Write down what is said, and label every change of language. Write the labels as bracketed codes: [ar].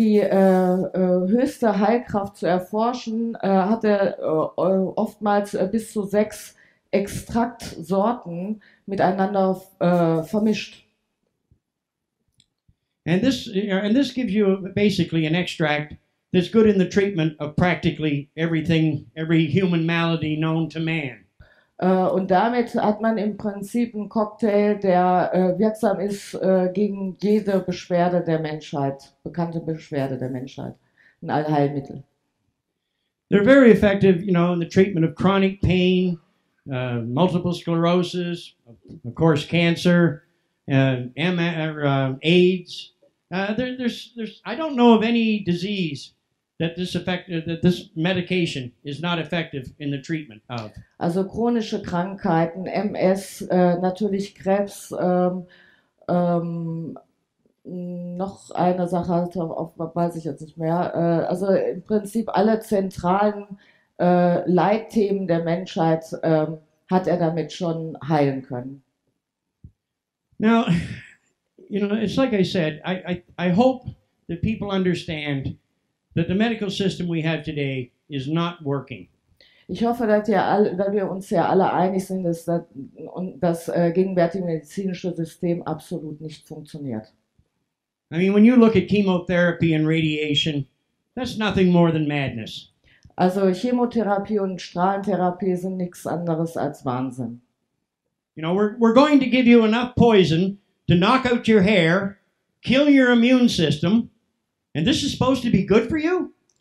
[de] Um die höchste Heilkraft zu erforschen, hat er oftmals bis zu 6 Extraktsorten miteinander vermischt. [en] And this gives you basically an extract that's good in the treatment of practically everything, every human malady known to man. [de] Und damit hat man im Prinzip einen Cocktail, der wirksam ist gegen jede Beschwerde der Menschheit, bekannte Beschwerde der Menschheit, ein Allheilmittel. [en] They're very effective, you know, in the treatment of chronic pain, multiple sclerosis, of course, cancer, AIDS. There's I don't know of any disease that this medication is not effective in the treatment of. [de] Also chronische Krankheiten, MS, natürlich Krebs, noch eine Sache, weiß ich jetzt nicht mehr. Also im Prinzip alle zentralen Leitthemen der Menschheit hat er damit schon heilen können. [en] Now, you know, it's like I said, I hope that people understand that the medical system we have today is not working. [de] Ich hoffe, dass wir uns ja alle einig sind, dass das gegenwärtige medizinische System absolut nicht funktioniert. [en] I mean, when you look at chemotherapy and radiation, that's nothing more than madness. [de] Also Chemotherapie und Strahlentherapie sind nichts anderes als Wahnsinn. [en] You know, we're going to give you enough poison to knock out your hair, kill your immune system, and this is supposed to be good for you?